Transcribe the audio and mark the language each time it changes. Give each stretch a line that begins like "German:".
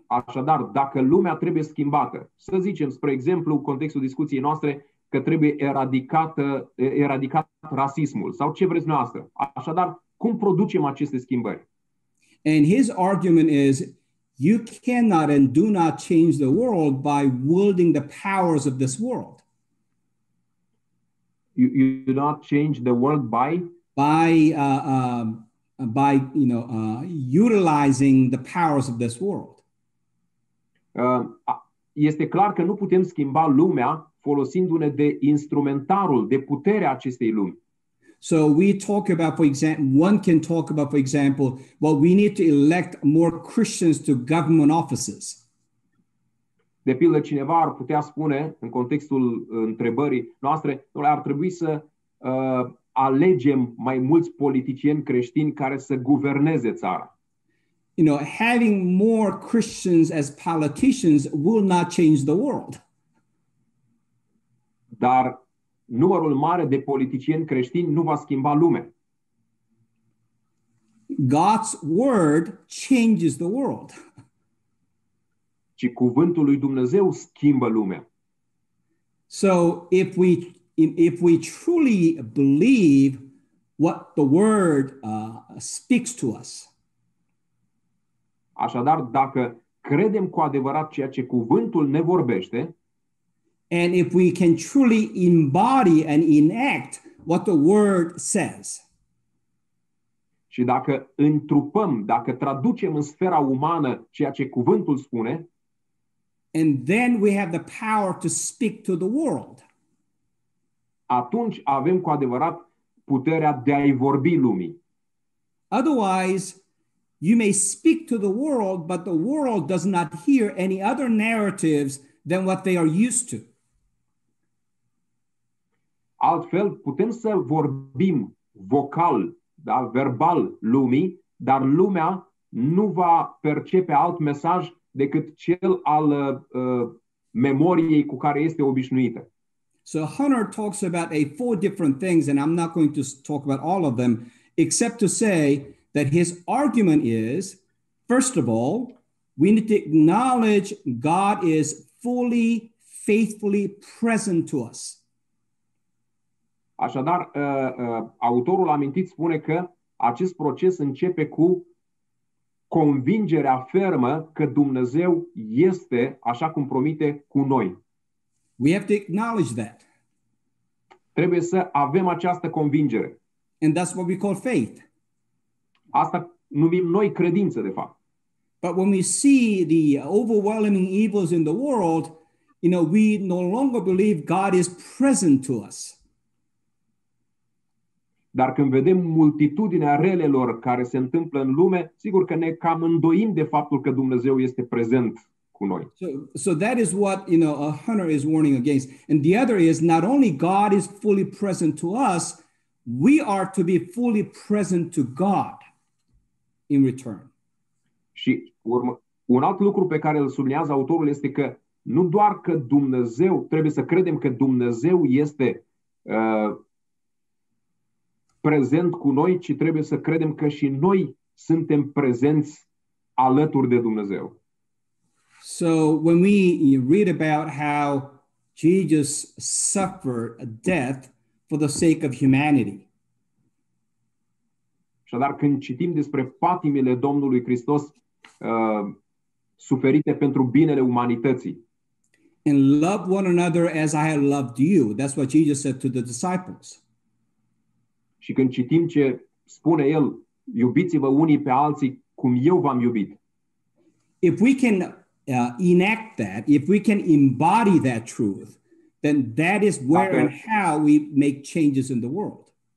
Romanian: Așadar, dacă lumea trebuie schimbată, să zicem, spre exemplu, contextul discuției noastre, că trebuie eradicat rasismul, sau ce vreți noastră. Așadar, cum producem aceste schimbări?
English: And his argument is, you cannot and do not change the world by wielding the powers of this world. You do not change the world by? By you know, utilizing the powers of this world.
Romanian: Este clar că nu putem schimba lumea folosindu-ne de instrumentarul, de puterea acestei lumi.
English: So we talk about, for example, one can talk about, for example, well, we need to elect more Christians to government offices.
Romanian: De pildă, cineva ar putea spune, în contextul întrebării noastre, noi ar trebui să alegem mai mulți politicieni creștini care să guverneze țara.
English: You know, having more Christians as politicians will not change the world.
Romanian: Dar numărul mare de politicieni creștini nu va schimba lumea.
English: God's word changes the world.
Romanian: Ci cuvântul lui Dumnezeu schimbă lumea.
English: So, if we truly believe what the word speaks to us.
Romanian: Așadar, dacă credem cu adevărat ceea ce cuvântul ne vorbește,
English: and if we can truly embody and enact what the word says.
Romanian: Și dacă întrupăm, dacă traducem în sfera umană ceea ce cuvântul spune,
English: and then we have the power to speak to the world.
Romanian: Atunci avem cu adevărat puterea de a-i vorbi lumii.
English: Otherwise, you may speak to the world, but the world does not hear any other narratives than what they are used to.
Romanian: Altfel, putem să vorbim vocal, da, verbal lumii, dar lumea nu va percepe alt mesaj decât cel al memoriei cu care este obișnuită.
English: So Hunter talks about four different things, and I'm not going to talk about all of them, except to say that his argument is, first of all, we need to acknowledge God is fully, faithfully present to us.
Romanian: Așadar, autorul amintit spune că acest proces începe cu convingerea fermă că Dumnezeu este, așa cum promite, cu noi.
English: We have to acknowledge that.
Romanian: Trebuie să avem această convingere.
English: And that's what we call faith.
Romanian: Asta numim noi credință, de fapt.
English: But when we see the overwhelming evils in the world, you know, we no longer believe God is present to us.
Romanian: Dar când vedem multitudinea relelor care se întâmplă în lume, sigur că ne cam îndoim de faptul că Dumnezeu este prezent cu noi.
English: So that is what, you know, Hunter is warning against. And the other is, not only God is fully present to us, we are to be fully present to God in return.
Romanian: Și un alt lucru pe care îl subliniază autorul este că nu doar că Dumnezeu, trebuie să credem că Dumnezeu este prezent cu noi, ci trebuie să credem că și noi suntem prezenți alături de Dumnezeu.
English: So when we read about how Jesus suffered death for the sake of humanity.
Romanian: Așadar, când citim despre patimile Domnului Hristos suferite pentru binele umanității.
English: And love one another as I have loved you. That's what Jesus said to the disciples.
Romanian: Și când citim ce spune el, iubiți-vă unii pe alții cum eu v-am iubit.
English: If we can enact that, if we can embody that truth, then that is where and how we make changes in the world.